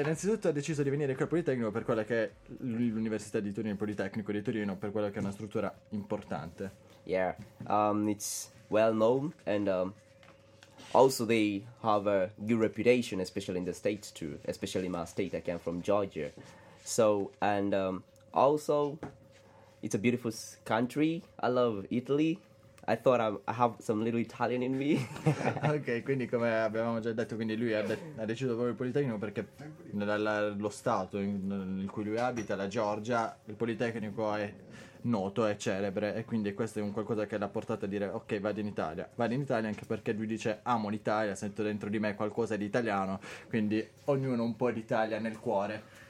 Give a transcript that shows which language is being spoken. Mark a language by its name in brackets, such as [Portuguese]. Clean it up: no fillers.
[Italian] Innanzitutto ho deciso di venire qui al Politecnico per quella che è l'Università di Torino, il Politecnico di Torino, per quella che è una struttura importante. [English] Yeah, it's well known, and also they have a good reputation, especially in the States too, especially in my state, I came from Georgia. So, and also, it's a beautiful country, I love Italy. I thought I have some little Italian in me. [Italian] Ok, quindi come avevamo già detto, quindi lui ha deciso proprio il Politecnico perché lo stato in cui lui abita, la Georgia, il Politecnico è noto, è celebre, e quindi questo è un qualcosa che l'ha portato a dire ok, vado in Italia, anche perché lui dice amo l'Italia, sento dentro di me qualcosa di italiano, quindi ognuno un po' d'Italia nel cuore.